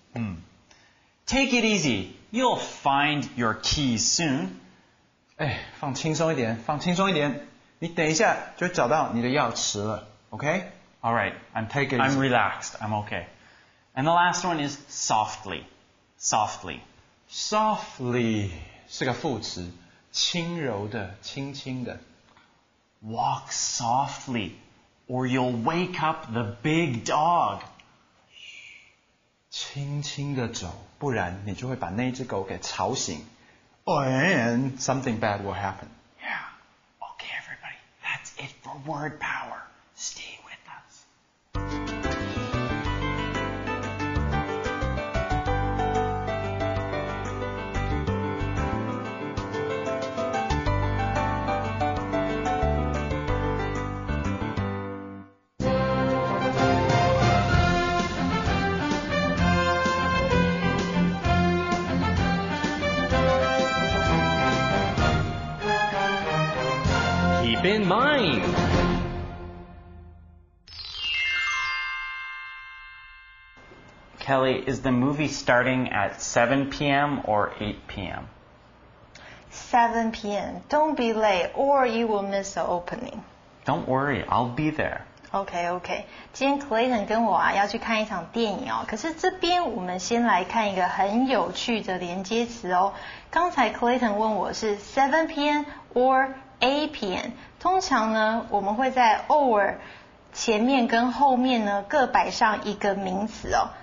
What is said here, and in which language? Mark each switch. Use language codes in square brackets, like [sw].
[en] Take it easy, you'll find your keys soon. [zh] 哎，放轻松一点，放轻松一点，你等一下就找到你的钥匙了。 [en] Okay? All right, I'm take it easy. I'm relaxed. I'm okay. And the last one is softly, softly. [zh] Softly 是个副词，轻柔的，轻轻的。 [en] Walk softly, or you'll wake up the big dog. [zh] 轻轻的走，不然你就会把那只狗给吵醒。 [en] And something bad will happen. Yeah. Okay, everybody. That's it for Word Power. Stay with us. up in mind. Kelly, is the movie starting at 7 p.m. or 8 p.m.? 7 p.m. Don't be late or you will miss the opening. Don't worry, I'll be there. Okay. [zh] 今天 Clayton 跟我啊要去看一场电影哦，可是这边我们先来看一个很有趣的连接词哦。刚才 Clayton 问我是 [en] 7 p.m. or 8 p.m. [zh] 通常呢我们会在 or 前面跟后面呢各摆上一个名词哦。